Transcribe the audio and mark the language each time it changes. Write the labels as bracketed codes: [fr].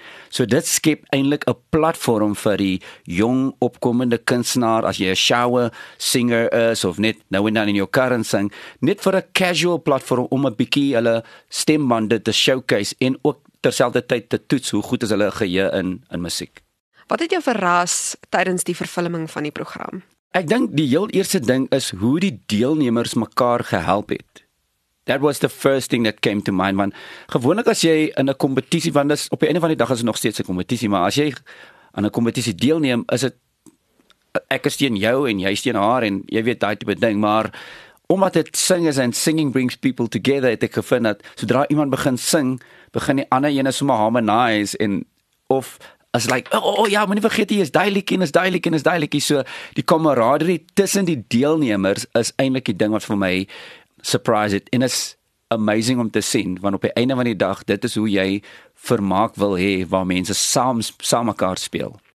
[af] So dit skep eintlik 'n platform vir die jong opkomende kunstenaar, as jy 'n shower singer is of net nou en dan in jou kar en sing, net vir 'n casual platform om 'n bietjie hulle stembande te showcase en ook terselfdertyd te toets hoe goed is hulle geheue in musiek. Wat het jou verras tydens die vervilming van die program? Ek dink die heel eerste ding is hoe die deelnemers mekaar gehelp het. [en] That was the first thing that came to mind, man. [af] Gewoonlik as jy in 'n kompetisie, want dis, op die einde van die dag is dit nog steeds 'n kompetisie, maar as jy aan 'n kompetisie deelneem, is dit ek is teen jou en jy is teen haar en jy weet daai tipe ding, maar omdat dit sing is [en] and singing brings people together, [af] het ek gevind dat sodra iemand begin sing, begin die ander ene sommer harmonize en of as like, oh ja, moenie vergeet jy is daai liedjie en is daai liedjie en is daai liedjie, so die kameraderie tussen die deelnemers is eintlik die ding wat vir my surprise it, [en] and it's amazing [af] om te sien, want op die einde van die dag, dit is hoe jy vermaak wil hê, waar mense saam mekaar speel.